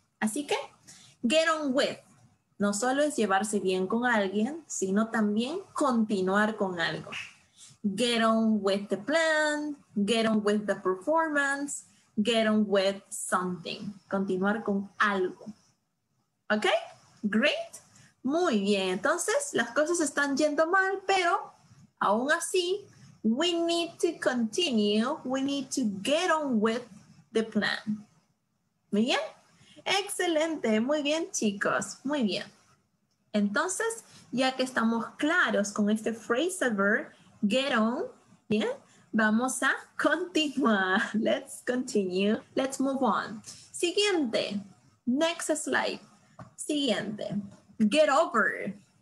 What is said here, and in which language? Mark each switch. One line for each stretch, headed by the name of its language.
Spanish: Así que get on with, no solo es llevarse bien con alguien, sino también continuar con algo.
English: Get on with the plan, get on with the performance, get on with something.
Spanish: Continuar con algo. ¿Ok?
English: Great.
Spanish: Muy bien. Entonces, las cosas están yendo mal, pero aún así,
English: we need to continue. We need to get on with the plan.
Spanish: ¿Muy bien? Excelente. Muy bien, chicos. Muy bien. Entonces, ya que estamos claros con este phrasal verb, get on, ¿bien? Vamos a continuar.
English: Let's continue. Let's move on.
Spanish: Siguiente.
English: Next slide. Siguiente. Get over.